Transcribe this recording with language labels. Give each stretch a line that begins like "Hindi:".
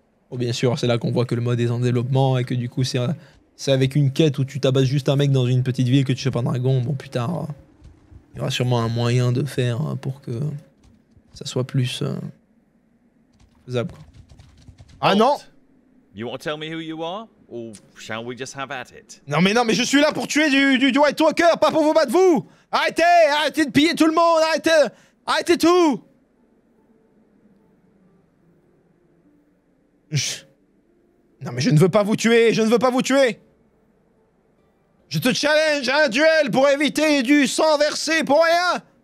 French: Oh, bien sûr, c'est là qu'on voit que le mode est en développement et que du coup, c'est... C'est avec une quête où tu tabasses juste un mec dans une petite ville que tu chopes un dragon. Bon, plus tard, il y aura sûrement un moyen de faire pour que ça soit plus faisable. Quoi. Ah non!
English: You want to tell me who you are? Or shall we just have at it?
French: Non mais je suis là pour tuer du White Walker, pas pour vous battre vous! Arrêtez de piller tout le monde! Arrêtez tout! Non mais je ne veux pas vous tuer, je ne veux pas vous tuer. Je te challenge à un duel pour éviter du sang versé pour rien.